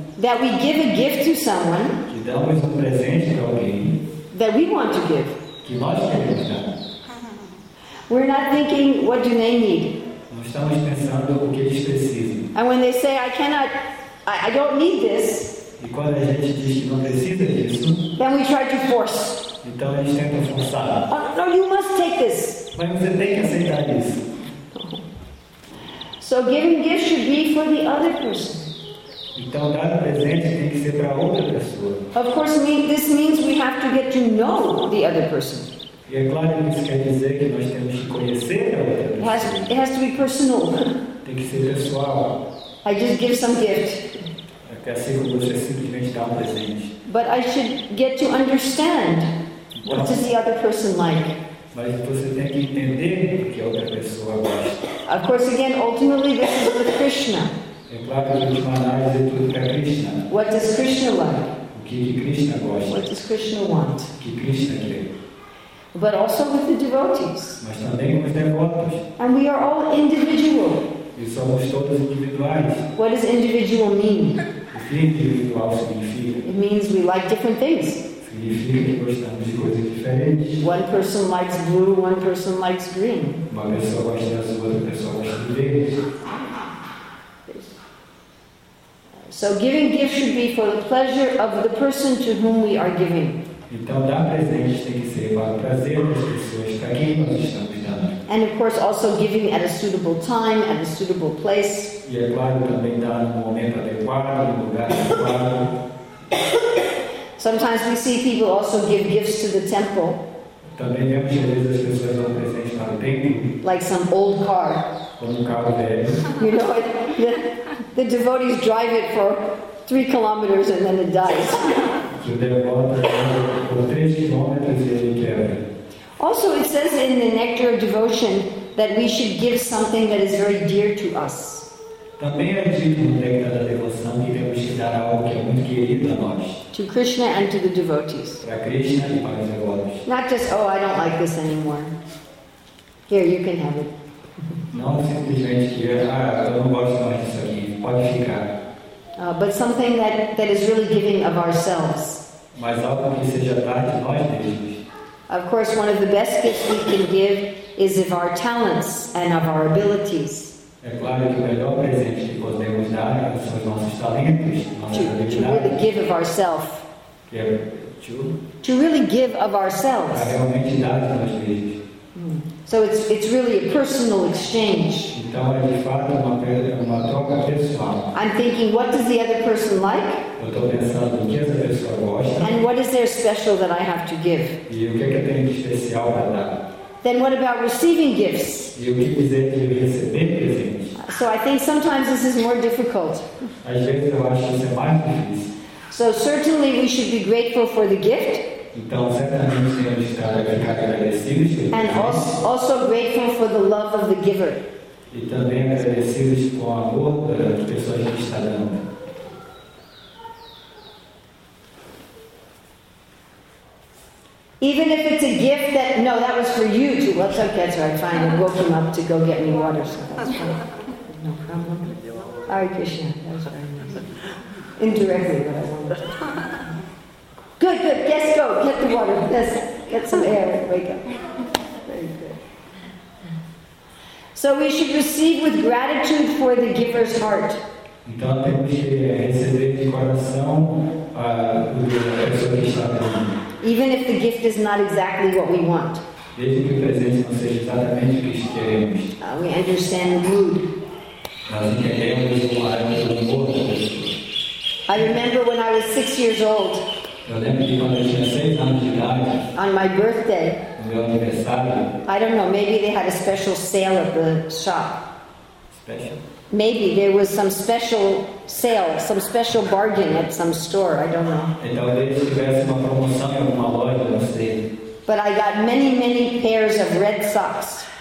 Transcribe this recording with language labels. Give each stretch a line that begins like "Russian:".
English: that we give a gift to someone
Portuguese: que damos presente para alguém
English: that we want to give.
Portuguese: Que nós queremos dar.
English: We're not thinking, what do they need?
Portuguese: Nós estamos pensando o que eles precisam.
English: And when they say, I don't need this,
Portuguese: e quando a gente diz que não precisa disso,
English: then we try to force.
Portuguese: Então a gente tenta forçar.
English: Oh, no, you must take this.
Portuguese: Mas você tem que aceitar isso.
English: So giving gifts should be for the other person.
Portuguese: Então dar presente tem que ser para outra pessoa.
English: Of course, this means we have to get to know the other person.
Portuguese: E é claro que isso quer dizer que nós temos que conhecer a outra pessoa.
English: It has to be personal.
Portuguese: Tem que ser pessoal.
English: I just give some gift.
Portuguese: É que assim como você simplesmente dá presente.
English: But I should get to understand what does the other person like.
Portuguese: Mas você tem que entender o que a outra pessoa gosta.
English: Of course, again, ultimately, this is with Krishna.
Portuguese: É claro que a última análise é tudo para Krishna.
English: What does Krishna like?
Portuguese: O que Krishna gosta?
English: What does Krishna want?
Portuguese: O que Krishna quer?
English: But also with the devotees.
Portuguese: Mas também com os devotos.
English: And we are all individual.
Portuguese: E somos todos individuais.
English: What does individual mean?
Portuguese: O que individual significa?
English: It means we like different things.
Portuguese: Significa que gostamos de coisas diferentes.
English: One person likes blue, one person likes green.
Portuguese: Uma pessoa gosta de azul, outra pessoa gosta de verde.
English: So giving gifts should be for the pleasure of the person to whom we are giving.
Portuguese: Então dar presente tem que ser para o prazer das pessoas para quem nós estamos dando.
English: And of course also giving at a suitable time, at a suitable place.
Portuguese: E é claro também dar no momento adequado, no lugar adequado.
English: Sometimes we see people also give gifts to the temple.
Portuguese: Também vemos que às vezes as pessoas dão presentes para o templo.
English: Like some old car.
Portuguese: Como um carro velho.
English: You know, the devotees drive it for 3 kilometers and then it dies.
Portuguese: O devoto anda por 3 quilômetros e ele quebra.
English: Also, it says in the Nectar of Devotion that we should give something that is very dear to us.
Portuguese: Também é dito no Nectar da Devoção que devemos dar algo que é muito querido a nós.
English: To Krishna and to the devotees.
Portuguese: Para Krishna e para os devotos.
English: Not just, oh, I don't like this anymore. Here, you can have it.
Portuguese: Não simplesmente que, ah, eu não gosto mais disso aqui, pode ficar.
English: But something that is really giving of ourselves.
Portuguese: Mas algo que seja dado de nós mesmos.
English: Of course, one of the best gifts we can give is of our talents and of our abilities.
Portuguese: É claro que o melhor presente que podemos dar são os nossos talentos, nossas habilidades.
English: To really give of ourselves. To really give of ourselves.
Portuguese: Para realmente dar de nós mesmos.
English: So it's really a personal exchange.
Portuguese: Então é de fato uma troca pessoal.
English: I'm thinking, what does the other person like?
Portuguese: Eu estou pensando o que essa pessoa gosta.
English: And what is there special that I have to give?
Portuguese: E o que é que eu tenho de especial para dar?
English: Then what about receiving gifts?
Portuguese: E o que dizer de receber presentes?
English: So I think sometimes this is more difficult.
Portuguese: Às vezes eu acho isso é mais difícil.
English: So certainly we should be grateful for the gift.
Portuguese: Então certamente temos que estar agradecidos.
English: And also grateful for the love of the giver.
Portuguese: E também agradecidos com o amor da pessoa que está dando.
English: Even if it's a gift that, no, that was for you too. What's up, Ketzer? I find him, woke him up to go get me water. So that's fine. No problem. Hare Krishna. That was very nice. Indirectly, but I wanted to. Good. Yes, go. Get the water. Yes. Get some air. Wake up. Very good. So we should receive with gratitude for the giver's heart.
Portuguese: Então temos que receber de coração a pessoa que está dando.
English: Even if the gift is not exactly what we want.
Portuguese: Desde que o presente não seja exatamente o que queremos.
English: We understand the mood.
Portuguese: Nós entendemos o ar do humor da
English: pessoa. I remember when I was 6 years old.
Portuguese: Eu lembro que quando eu tinha 6 anos de idade.
English: On my birthday.
Portuguese: No meu aniversário.
English: I don't know, maybe they had a special sale at the shop. Special? Maybe there was some special sale, some special bargain at some store, I don't know. But I got many, many pairs of red socks.